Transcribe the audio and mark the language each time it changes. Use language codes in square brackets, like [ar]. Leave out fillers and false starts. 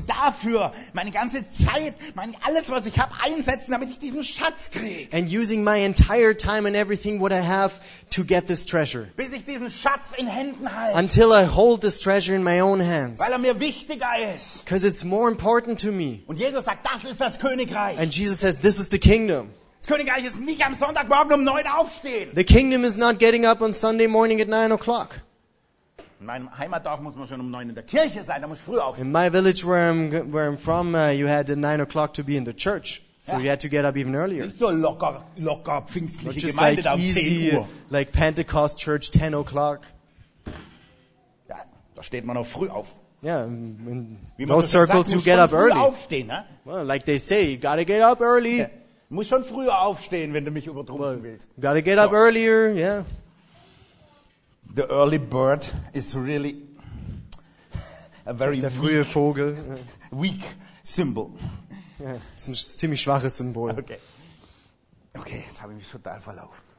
[de] Und dafür meine ganze Zeit, alles was ich habe einsetzen, damit ich diesen Schatz kriege. [en] And using my entire time and everything what I have to get this treasure. [de] Bis ich diesen Schatz in Händen halte. [en] Until I hold this treasure in my own hands. [de] Weil er mir wichtiger ist. [en] Because it's more important to me. [de] Und Jesus sagt, das ist das Königreich. [en] And Jesus says, this is the kingdom. [de] Das Königreich ist nicht am Sonntagmorgen um 9 aufstehen. [en] The kingdom is not getting up on Sunday morning at 9 o'clock. [de] In meinem Heimatdorf muss man schon um 9 in der Kirche sein, da muss ich früh aufstehen. [en] In my village where I'm from, you had 9 o'clock to be in the church. So you had to get up even earlier. [de] Nicht so locker pfingstliche Gemeinde like da um [en] easy, [de] 10 Uhr. [en] Like Pentecost church 10 o'clock. [de] Ja, da steht man auch früh auf. [en] Yeah, in those circles you get up early. [de] Aufstehen, ne? [en] Well, like they say, you gotta get up early. [de] Ja. Muss schon früh aufstehen, wenn du mich übertrumpfen willst. [en] Gotta get up earlier, yeah. The early bird is really a very [de] der frühe [en] weak, [de] Vogel, [en] weak symbol. [de] Ja, ist ein ziemlich schwaches Symbol. Okay, jetzt habe ich mich total verlaufen.